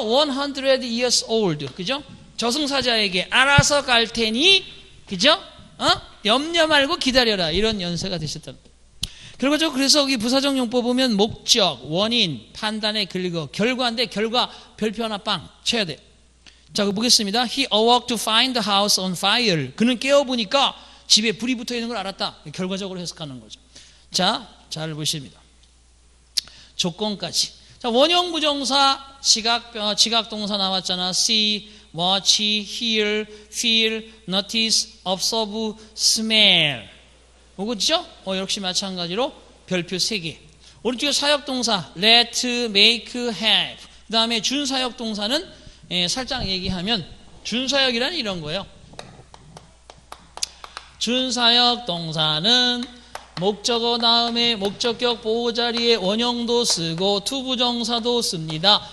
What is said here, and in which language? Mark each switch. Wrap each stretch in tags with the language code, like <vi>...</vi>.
<en>100 years old.</en> <ko>그죠? 저승사자에게 알아서 갈 테니 그죠? 어? 염려 말고 기다려라. 이런 연세가 되셨던. 그리고 저 그래서 여기 부사적 용법 보면 목적, 원인, 판단의 근거, 결과인데 결과 별표 하나 빵 쳐야 돼. 자, 보겠습니다.</ko> <en>He awoke to find the house on fire.</en> <ko>그는 깨어보니까 집에 불이 붙어 있는 걸 알았다. 결과적으로 해석하는 거죠. 자, 잘 보십니다. 조건까지. 자, 원형 부정사 지각 동사 나왔잖아.</ko> <en>See, watch, hear, feel, notice, observe, smell.</en> <ko>그렇죠? 역시 마찬가지로 별표 3개. 오른쪽에 사역 동사 let, make, have. 그다음에 준사역 동사는 예, 살짝 얘기하면 준사역이란 이런 거예요. 준사역 동사는 목적어 다음에 목적격 보호자리에 원형도 쓰고 투부정사도 씁니다.</ko>